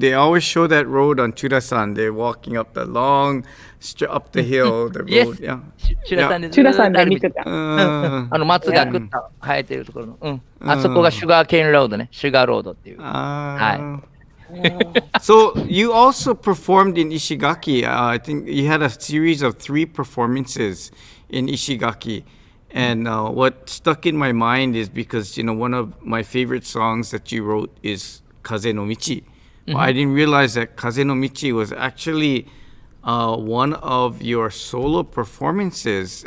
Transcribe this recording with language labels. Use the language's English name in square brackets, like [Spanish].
[English] They always show that road on Chura-san. They're walking up the long, up the hill, the road. Yes. Yeah. Chura-san. Chura-san. [Japanese] あの松がぐっと生えてるところの。うん。あそこがシュガーケインロードね。シュガーロードっていう。はい。 [English] So you also performed in Ishigaki. I think you had a series of three performances in Ishigaki. And what stuck in my mind is because, you know, one of my favorite songs that you wrote is Kaze no Michi. Mm-hmm. Well, I didn't realize that Kaze no Michi was actually one of your solo performances.